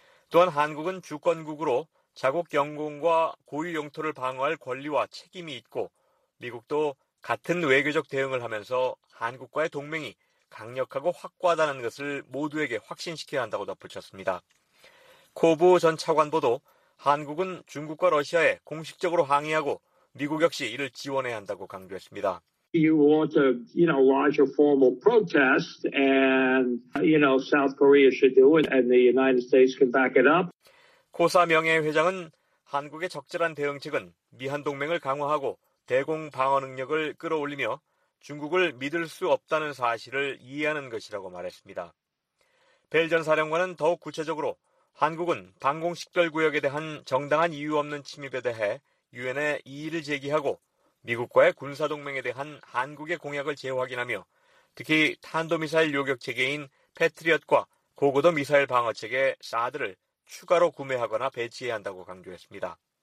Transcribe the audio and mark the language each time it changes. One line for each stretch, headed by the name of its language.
Korean: 또한 한국은 주권국으로 자국 영공과 고유 영토를 방어할 권리와 책임이 있고 미국도 같은 외교적 대응을 하면서 한국과의 동맹이 강력하고 확고하다는 것을 모두에게 확신시켜야 한다고 덧붙였습니다. 코부 전 차관보도 한국은 중국과 러시아에 공식적으로 항의하고 미국 역시 이를 지원해야 한다고 강조했습니다.
English: You want to, you know, launch a formal protest and, you know, South Korea should do it and the United States can back it up.
Korean: 코사 명예회장은 한국의 적절한 대응책은 미한 동맹을 강화하고 대공 방어 능력을 끌어올리며 중국을 믿을 수 없다는 사실을 이해하는 것이라고 말했습니다. 벨 전 사령관은 더욱 구체적으로 한국은 방공식별구역에 대한 정당한 이유 없는 침입에 대해 유엔에 이의를 제기하고 미국과의 군사동맹에 대한 한국의 공약을 재확인하며 특히 탄도미사일 요격체계인 패트리엇과 고고도 미사일 방어체계 사드를 추가로 구매하거나 배치해야 한다고 강조했습니다.